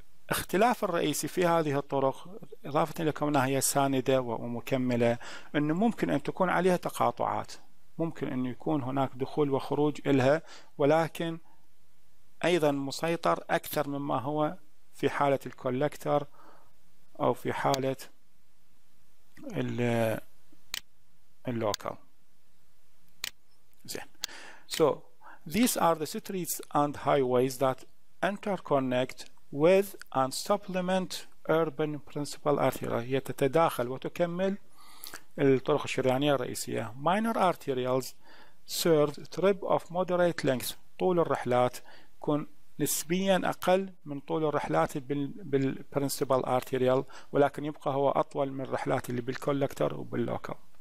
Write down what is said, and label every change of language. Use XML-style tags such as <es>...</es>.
<ar>اختلاف الرئيسي في هذه الطرق إضافة لكم أنها هي ساندة ومكملة، أنه ممكن أن تكون عليها تقاطعات، ممكن أن يكون هناك دخول وخروج إلها، ولكن أيضا مسيطر أكثر مما هو في حالة الكولكتر أو في حالة اللوكال.</ar> <en>So these are the streets and highways that interconnect with and supplement urban principal arteries.</en> <ar>هي تتداخل وتكمل الطرق الشريانية الرئيسية.</ar> <en>Minor arterials serve trip of moderate length.</en> <ar>طول الرحلات يكون نسبيا أقل من طول الرحلات بالprincipal arterial، ولكن يبقى هو أطول من الرحلات اللي بالcollector وباللocal.</ar>